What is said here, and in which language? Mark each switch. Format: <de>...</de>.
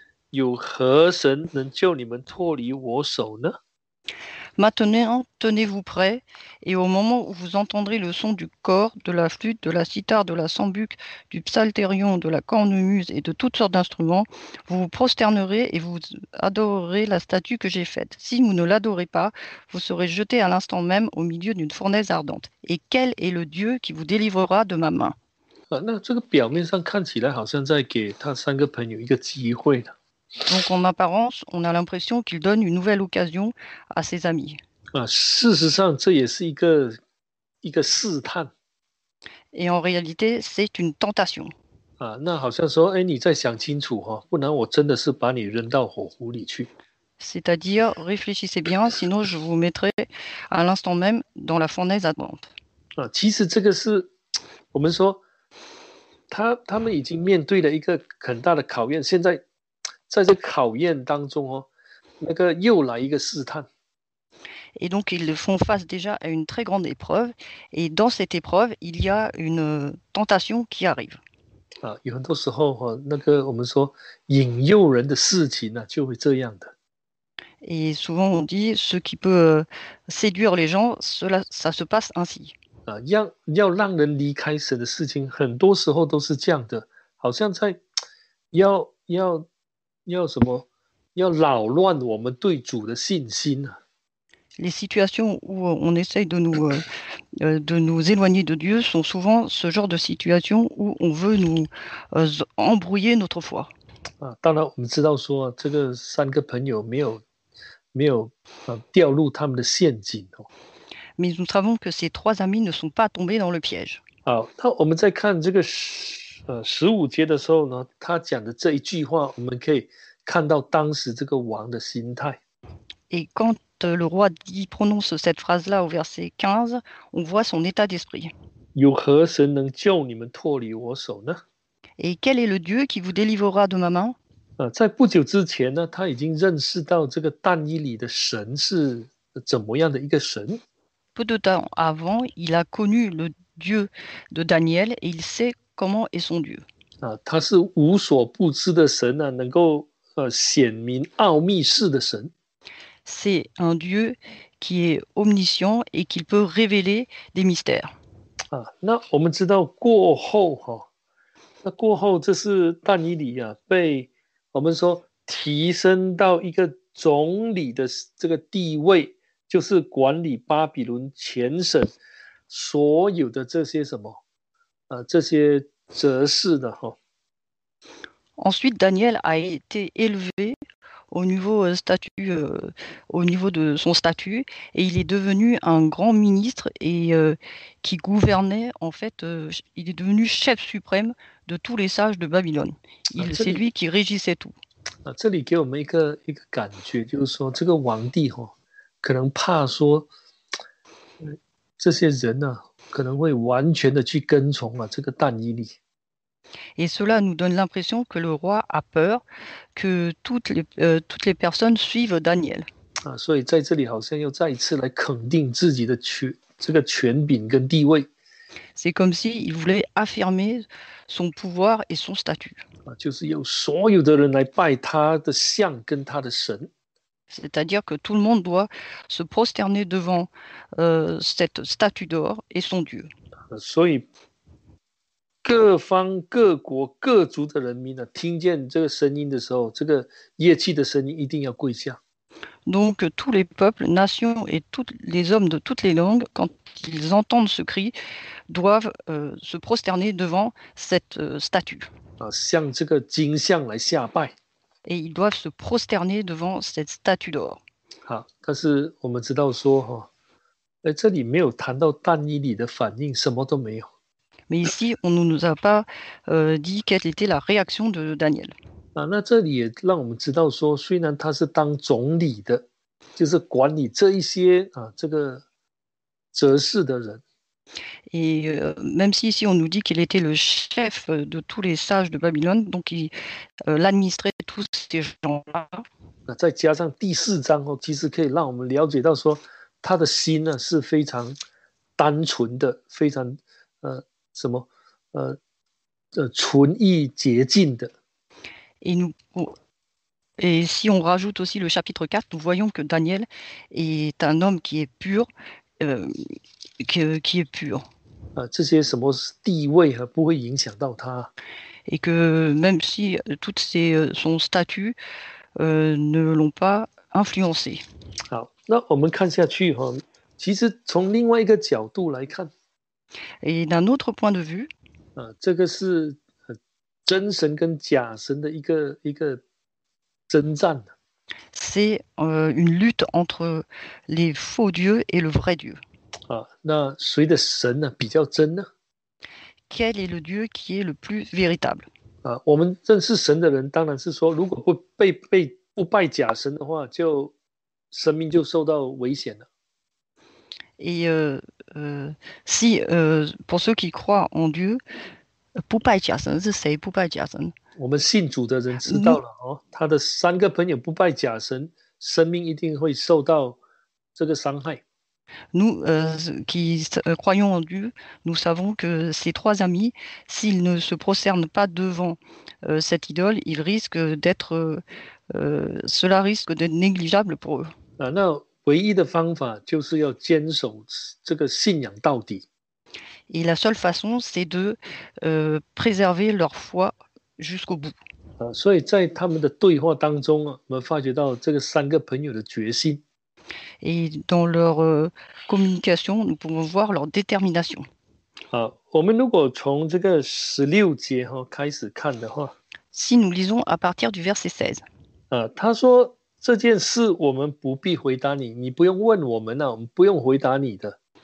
<zh>有何神能救你们脱离我手呢？</zh> <fr>Maintenant, tenez-vous prêts, et au moment où vous entendrez le son du cor, de la flûte, de la cithare, de la sambuque, du psaltérion, de la cornemuse et de toutes sortes d'instruments, vous vous prosternerez et vous adorerez la statue que j'ai faite. Si vous ne l'adorez pas, vous serez jetés à l'instant même au milieu d'une fournaise ardente. Et quel est le Dieu qui vous délivrera de ma main?</fr> <zh>啊，那这个表面上看起来好像在给他三个朋友一个机会呢。</zh> <fr>Donc en apparence, on a l'impression qu'il donne une nouvelle occasion à ses amis.</fr> <zh>啊，事实上这也是一个试探。</zh> <fr>Et en réalité, c'est une tentation.</fr> <zh>啊，那好像说，哎，你再想清楚哈，不然我真的是把你扔到火湖里去。</zh> <fr>C'est-à-dire, réfléchissez bien, sinon je vous mettrai à l'instant même dans la fournaise ardente.</fr> <zh>啊，其实这个是我们说。他们已经面对了一个很大的考验，现在在这考验当中哦，那个又来一个试探。</zh> <fr>Et donc, ils font face déjà à une très grande épreuve. Et dans cette épreuve, il y a une tentation qui arrive.</fr> <zh>啊，有很多时候哦，那个我们说引诱人的事情呢，就会这样的。</zh> <fr>Et souvent, on dit, ce qui peut séduire les gens, cela, ça se passe ainsi.</fr> <zh>啊，要让人离开神的事情，很多时候都是这样的，好像在要什么，要扰乱我们对主的信心啊。</zh> <fr>Les situations où on essaye de nous éloigner de Dieu sont souvent ce genre de situations où on veut nous embrouiller notre foi.</fr> <zh>啊，当然我们知道说，这个三个朋友没有掉入他们的陷阱哦。</zh> <fr>Mais nous savons que ces trois amis ne sont pas tombés dans le piège.</fr> <zh>好，那我们在看这个十五节的时候呢，他讲的这一句话，我们可以看到当时这个王的心态。</zh> <fr>Et quand le roi dit prononce cette phrase-là au verset 15, on voit son état d'esprit.</fr> <zh>有何神能救你们脱离我手呢？</zh> <fr>Et quel est le Dieu qui vous délivrera de ma main?</fr> <zh>在不久之前呢，他已经认识到这个但以理的神是怎么样的一个神。</zh> <fr>Peu de temps avant, il a connu le Dieu de Daniel et il sait comment est son Dieu.</fr> <zh>他是无所不知的神啊，能够显明奥秘事的神。</zh> <fr>C'est un Dieu qui est omniscient et qui peut révéler des mystères.</fr> <zh>那我们知道过后哈，那过后这是但以理啊，被我们说提升到一个总理的这个地位，就是管理巴比伦全省所有的这些什么这些哲士的哈。</zh> <fr>Ensuite, Daniel a été élevé au niveau statut, au niveau de son statut, et il est devenu un grand ministre et qui gouvernait en fait. Il est devenu chef suprême de tous les sages de Babylone. C'est lui qui régissait tout.</fr> <zh>这里给我们一个感觉，就是说这个皇帝哈，可能怕说这些人呢，可能会完全的去跟从啊这个但以理。</zh> <fr>Et cela nous donne l'impression que le roi a peur que toutes les personnes suivent Daniel.</fr> <zh>所以在这里好像又再一次来肯定自己的权柄跟地位。</zh> <fr>C'est comme si il voulait affirmer son pouvoir et son statut.</fr> <zh>就是有所有的人来拜他的像跟他的神。</zh> <fr>C'est-à-dire que tout le monde doit se prosterner devant cette statue d'or et son dieu.</fr> <zh>所以各方各国各族的人民呢，听见这个声音的时候，这个乐器的声音一定要跪下。</zh> <fr>Donc tous les peuples, nations et tous les hommes de toutes les langues, quand ils entendent ce cri, doivent se prosterner devant cette statue.</fr> <zh>向这个金像来下拜。</zh> <fr>Et ils doivent se prosterner devant cette statue d'or.</fr> <zh>好，但是我们知道说哈，这里没有谈到但以理的反应，什么都没有。</zh> <fr>Mais ici, on ne nous a pas dit quelle était la réaction de Daniel.</fr> <zh>那这里也让我们知道说，虽然他是当总理的，就是管理这一些这个哲士的人。</zh> <fr>Et même si ici on nous dit qu'il était le chef de tous les sages de Babylone, donc il l'administrait tous ces gens-là.</fr> <zh>再加上第四章哦，其实可以让我们了解到说，他的心呢是非常单纯的，非常什么纯义洁净的。</zh> <fr>Et si on rajoute aussi le chapitre 4, nous voyons que Daniel est un homme qui est pur, qui est pur.</fr> <zh>这些什么地位不会影响到他。</zh> <fr>Et que même si toutes ces son statut ne l'ont pas influencé.</fr> <zh>好，那我们看下去哈，其实从另外一个角度来看。</zh> <fr>Et d'un autre point de vue,</fr> <zh>这个是真神跟假神的一个征战。</zh> <fr>C'est une lutte entre les faux dieux et le vrai dieu.</fr> <zh>那谁的神呢比较真呢？</zh> <fr>Quel est le dieu qui est le plus véritable?</fr> <zh>我们认识神的人当然是说，如果不拜假神的话，就生命就受到危险了。</zh> <fr>Et si pour ceux qui croient en Dieu, Poupai Jason, c'est Poupai Jason.</fr> <zh>我们信主的人知道了他的三个朋友不拜假神，生命一定会受到这个伤害。</zh> <fr>Nous qui croyons en Dieu, nous savons que ces trois amis, s'ils ne se prosternent pas devant cette idole, ils risquent d'être, cela risque d'être négligeable pour eux.</fr> <zh>唯一的方法就是要坚守这个信仰到底。</zh> <fr>Et la seule façon, c'est de préserver leur foi jusqu'au bout.</fr> <zh>所以在他们的对话当中我们发觉到这个三个朋友的决心。</zh> <fr>Et dans leur communication, nous pouvons voir leur détermination.</fr> <zh>我们如果从这个十六节开始看的话。</zh> <fr>Si nous lisons à partir du verset 16.</fr> <zh>他说这件事我们不必回答你，你不用问我们了，我们不用回答你的。</zh>